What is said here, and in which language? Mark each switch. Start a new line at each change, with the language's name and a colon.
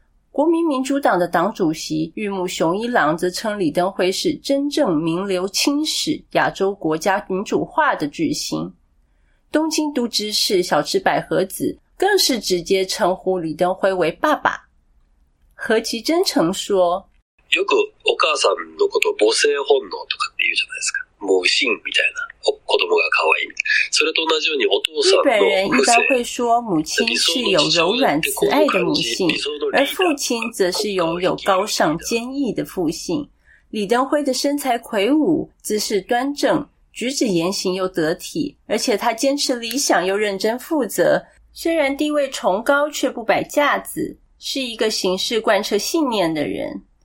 Chinese: 国民民主党的党主席玉木雄一郎则称李登辉是真正名留青史、亚洲国家民主化的巨星。东京都知事小池百合子更是直接称呼李登辉为爸爸。何其真诚说，
Japanese: よくお母さんのこと母性本能とかって言うじゃないですか、母性みたいな、子供が可愛い、それと同じようにお父さんの母性。
Chinese: 日本人一般会说母亲是有柔软慈爱的母性，而父亲则是拥有高尚坚毅的父性。李登辉的身材魁梧，姿势端正，举止言行又得体，而且他坚持理想又认真负责，虽然地位崇高却不摆架子，是一个行事贯彻信念的人。